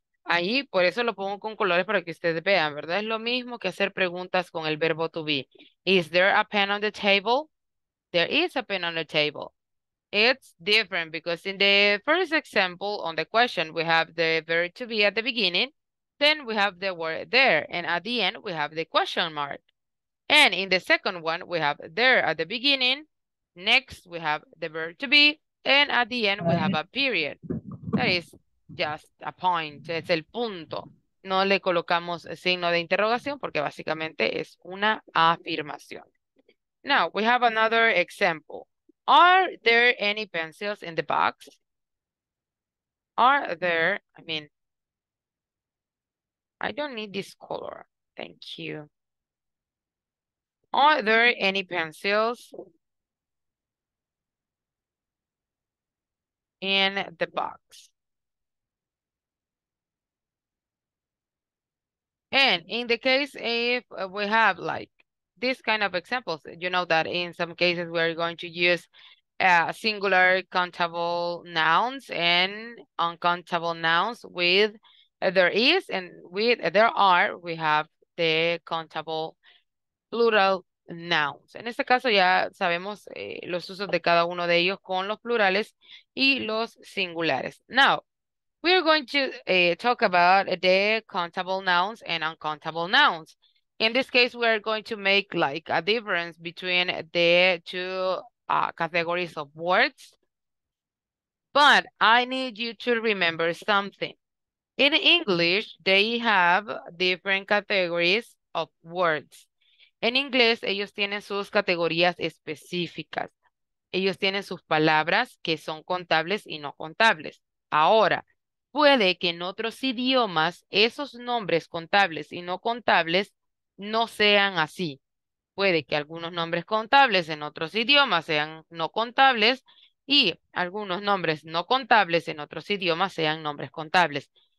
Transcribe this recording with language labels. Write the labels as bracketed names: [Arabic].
[Spanish] Ahí, por eso lo pongo con colores para que ustedes vean, ¿verdad? Es lo mismo que hacer preguntas con el verbo to be. [English] Is there a pen on the table? There is a pen on the table. It's different because in the first example on the question, we have the verb to be at the beginning, then we have the word there, and at the end, we have the question mark. And in the second one, we have there at the beginning. Next, we have the verb to be. And at the end, we have a period. That is just a point. [Spanish] Es el punto. No le colocamos signo de interrogación porque básicamente es una afirmación. [English] Now, we have another example. Are there any pencils in the box? Are there, I mean, I don't need this color. Thank you. Are there any pencils in the box? And in the case if we have like this kind of examples, you know that in some cases we are going to use singular countable nouns and uncountable nouns with there is and with there are, we have the countable plural nouns. [Spanish] En este caso ya sabemos los usos de cada uno de ellos con los plurales y los singulares. [English] Now, we are going to talk about the countable nouns and uncountable nouns. In this case, we are going to make like a difference between the two categories of words. But I need you to remember something. In English, they have different categories of words. [Spanish] En inglés, ellos tienen sus categorías específicas. Ellos tienen sus palabras que son contables y no contables. Ahora, puede que en otros idiomas esos nombres contables y no contables no sean así. Puede que algunos nombres contables en otros idiomas sean no contables y algunos nombres no contables en otros idiomas sean nombres contables.